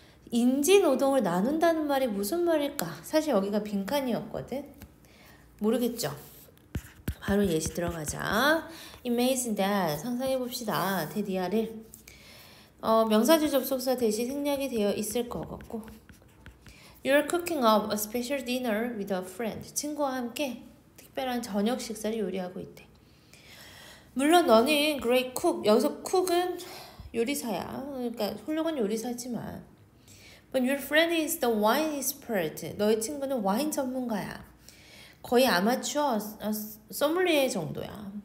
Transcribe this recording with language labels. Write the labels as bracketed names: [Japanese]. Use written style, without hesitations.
[Korean] 인지 노동을 나눈다는 말이 무슨 말일까? 사실 여기가 빈칸이었거든. 모르겠죠? 바로 예시 들어가자. [English] Imagine that. [Korean] 상상해 봅시다. 대디아를. 명사주 접속사 대신 생략이 되어 있을 것 같고. [English] You're cooking up a special dinner with a friend. [Korean] 친구와 함께 특별한 저녁 식사를 요리하고 있대. 물론 너는 [English] great cook. [Korean] 여기서 cook은 요리사야. 그러니까 훌륭한 요리사지만. [English] But your friend is the wine expert. [Korean] 너의 친구는 와인 전문가야. 거의 아마추어 소믈리에 정도야.